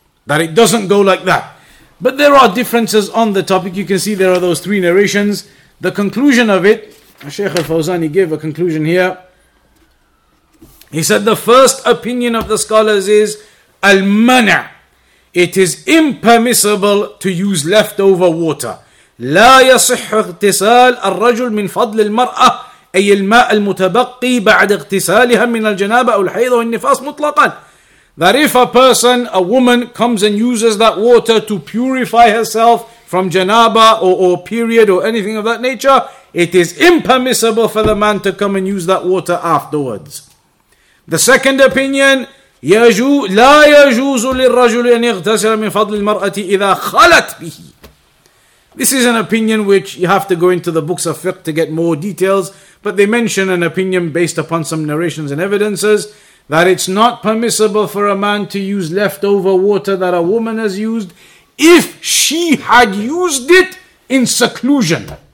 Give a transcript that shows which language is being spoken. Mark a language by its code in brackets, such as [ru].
[en] That it doesn't go like that. But there are differences on the topic. You can see there are those three narrations. The conclusion of it, Sheikh Al-Fawzani gave a conclusion here. He said the first opinion of the scholars is Al-Mana. It is impermissible to use leftover water. [ar] لا يصح اغتسال الرجل من فضل المرأة أي الماء المتبقي بعد اغتسالها من الجنابة أو الحيض والنفاس مطلقا. [en] That if a person, a woman, comes and uses that water to purify herself from janaba or period or anything of that nature, it is impermissible for the man to come and use that water afterwards. The second opinion, [ar] لا يجوز للرجل أن يغتسل من فضل المرأة إذا خلت به. [en] This is an opinion which you have to go into the books of fiqh to get more details, but they mention an opinion based upon some narrations and evidences that it's not permissible for a man to use leftover water that a woman has used if she had used it in seclusion.